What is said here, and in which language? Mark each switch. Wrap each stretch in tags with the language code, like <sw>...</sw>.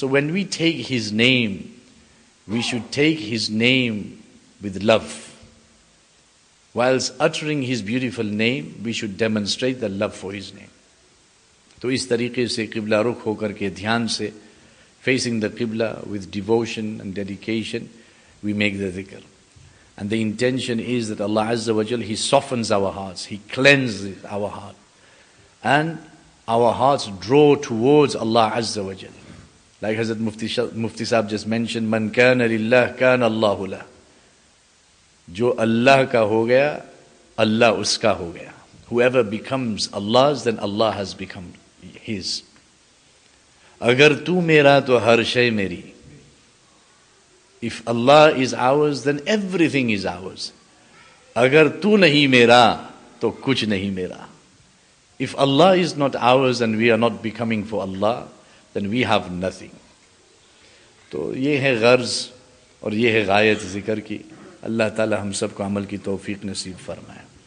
<en>So when we take his name, we should take his name with love. Whilst uttering his beautiful name, we should demonstrate the love for his name.</en> <ur>تو اس طریقے سے قبلہ رخ ہو کر کے دھیان سے</ur> <en>facing the قبلہ with devotion and dedication, we make the dhikr. And the intention is that Allah Azza wa Jal, he softens our hearts, he cleanses our heart. And our hearts draw towards Allah Azza wa Jal. Like Hazrat Mufti Sahab just mentioned,</en> <ar>مَنْ كَانَ لِلَّهِ كَانَ اللَّهُ لَهُ.</ar> <ur>جو اللہ کا ہو گیا, اللہ اس کا ہو گیا.</ur> <en>Whoever becomes Allah's, then Allah has become his.</en> <ur>اگر تو میرا تو ہر شے میری.</ur> <en>If Allah is ours, then everything is ours.</en> <ur>اگر تو نہیں میرا تو کچھ نہیں میرا.</ur> <en>If Allah is not ours and we are not becoming for Allah, then we have nothing.</en> <ur>تو یہ ہے غرض اور یہ ہے غایت ذکر کی. اللہ تعالی ہم سب کو عمل کی توفیق نصیب فرمائے.</ur>